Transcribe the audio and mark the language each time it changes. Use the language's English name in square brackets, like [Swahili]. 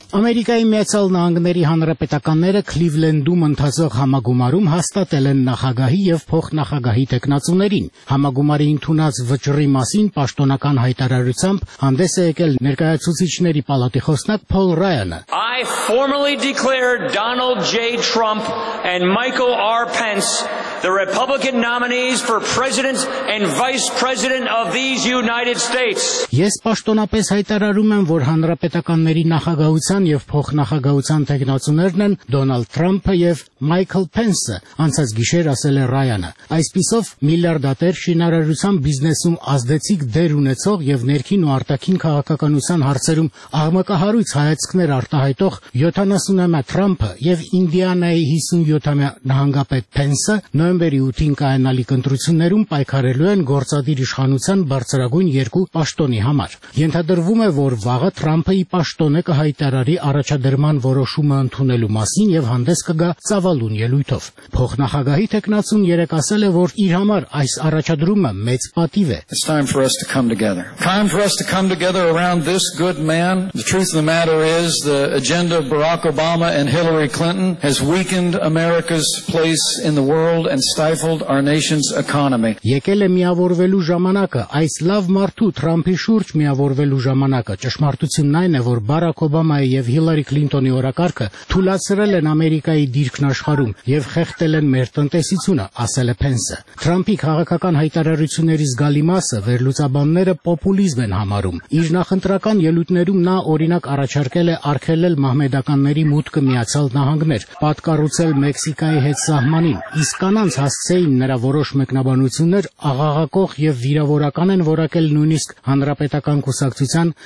[Armenian] Ամերիկայի Միացյալ Նահանգների հանրապետականները Քլիվլենդում ընթացող համագումարում հաստատել են նախագահի և փոխնախագահի տեկնացուներին։ Համագումարի ընդունած վճռի մասին պաշտոնական հայտարարությամբ հանդես է եկել ներկայացուցիչների պալատի խոսնակ Փոլ Ռայանը։ [English] I formally declare Donald J. Trump and Michael R. Pence the Republican nominees for President and Vice President of these United States. [Armenian] Ես պաշտոնապես հայտարարում եմ, որ հանրապետականների նախագահության և փոխնախագահության տեղնացուներն են Դոնալդ Թրամփը և Մայքլ Պենսը, անցած գիշեր ասել է Ռայանը։ Այսպիսով միլիարդատեր շինարարության բիզնեսում ազդեցիկ դեր ունեցող և ներքին ու արտաքին քաղաքականության հարցերում աղմկահարույց հայացքներ արտահայտող 70-ամյա Թրամփը և Ինդիանայի 57-ամյա նահանգապետ Պենսը նոյեմբերի 8-ին կայանալիք ընտրություններում պայքարելու են գործադիր իշխանության բարձրագույն երկու պաշտոնի համար։ Ենթադրվում է, որ վաղը Թրամփը ի պաշտոնը կհայտարարի առաջադրման որոշումը ընդունելու մասին և հանդես կգա ծավալուն ելույթով։ Փոխնախագահի տեկնացուն երեք ասել է, որ իր համար այս առաջադրումը մեծ պատիվ է։ [English] It's time for us to come together. Time for us to come together around this good man. The truth of the matter is the agenda of Barack Obama and Hillary Clinton has weakened America's place in the world and stifled our nation's economy. [Armenian] Եկել է միավորվելու ժամանակը, այս լավ մարդու Թրամփի շուրջ միավորվելու ժամանակը։ Ճշմարտությունն այն է, որ Բարակ Օբամայի եւ Հիլարի Քլինտոնի օրակարգը թույլատրել են Ամերիկայի դիրքն աշխարում եւ խեղտել են մեր տնտեսությունը, ասել է Պենսը։ Թրամփի քաղաքական հայտարարությունների զգալի մասը վերլուծաբանները պոպուլիզմ են համարում։ Իր նախընտրական ելույթներում նա օրինակ առաջարկել է արգելել մահմեդականների մուտքը Միացյալ Նահանգներ, պատկառուցել Մեքսիկայի հետ սահմանին, իսկ կանանց հասցեին նրա որոշ մեկնաբանություններ աղաղակող և վիրավորական են որակել նույնիսկ հանրապետական կուսակցության